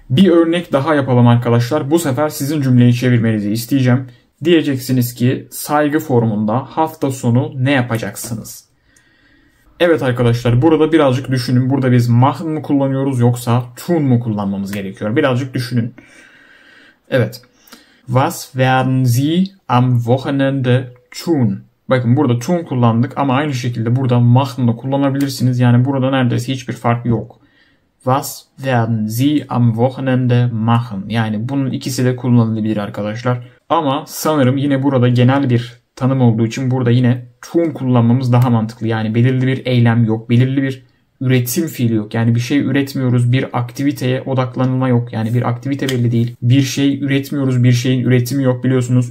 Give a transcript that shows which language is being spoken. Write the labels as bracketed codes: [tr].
[tr] Bir örnek daha yapalım arkadaşlar. Bu sefer sizin cümleyi çevirmenizi isteyeceğim. Diyeceksiniz ki saygı formunda hafta sonu ne yapacaksınız? Evet arkadaşlar, burada birazcık düşünün. Burada biz machen mı kullanıyoruz yoksa tun mu kullanmamız gerekiyor? Birazcık düşünün. Evet. [de] Was werden Sie am Wochenende tun? [tr] Bakın burada tun kullandık ama aynı şekilde burada machen da kullanabilirsiniz. Yani burada neredeyse hiçbir fark yok. [de] Was werden Sie am Wochenende machen? [tr] Yani bunun ikisi de kullanılabilir arkadaşlar. Ama sanırım yine burada genel bir tanım olduğu için burada yine tun kullanmamız daha mantıklı. Yani belirli bir eylem yok, belirli bir üretim fiili yok. Yani bir şey üretmiyoruz, bir aktiviteye odaklanılma yok. Yani bir aktivite belli değil. Bir şey üretmiyoruz, bir şeyin üretimi yok biliyorsunuz.